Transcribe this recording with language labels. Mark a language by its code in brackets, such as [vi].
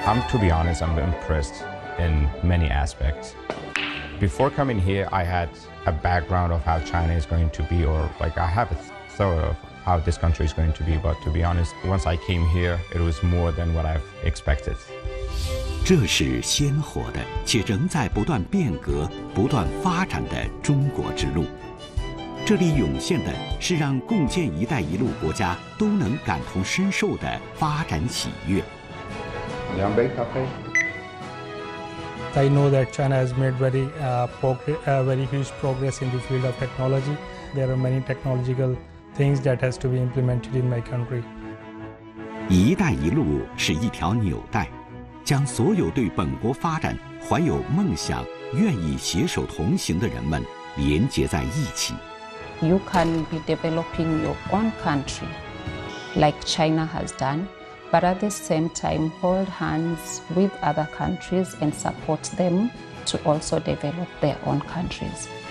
[en] To be honest, I'm impressed in many aspects. Before coming here, I had a background of how China is going to be, or like I have a thought of how this country is going to be. But to be honest, once I came here, it was more than what I've expected. [zh] 这是鲜活的且仍在不断变革、不断发展的中国之路。这里涌现的是让共建“一带一路”国家都能感同身受的发展喜悦。两杯咖啡。 [en] I know that China has made very very huge progress in the field of technology. There are many technological things that has to be implemented in my country. [zh] 一带一路是一条纽带，将所有对本国发展怀有梦想、愿意携手同行的人们连接在一起。 [en] You can be developing your own country, like China has done. But at the same time, hold hands with other countries and support them to also develop their own countries.